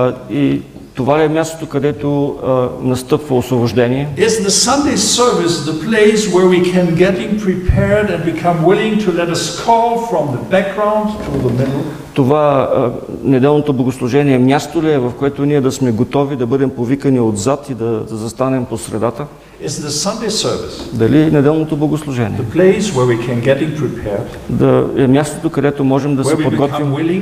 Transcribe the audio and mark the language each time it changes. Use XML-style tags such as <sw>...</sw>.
<bg>И това ли е мястото, където настъпва освобождение?</bg> <en>Is the Sunday service the place where we can get prepared and become willing to let us call from the background to the middle?</en> <bg>Това неделното богослужение място ли е, в което ние да сме готови да бъдем повикани отзад и да застанем по средата?</bg> <en>Is the Sunday service?</en> <bg>Дали неделното богослужение?</bg> <en>The place where we can get prepared?</en> <bg>Да е мястото, където можем да се подготвим.</bg>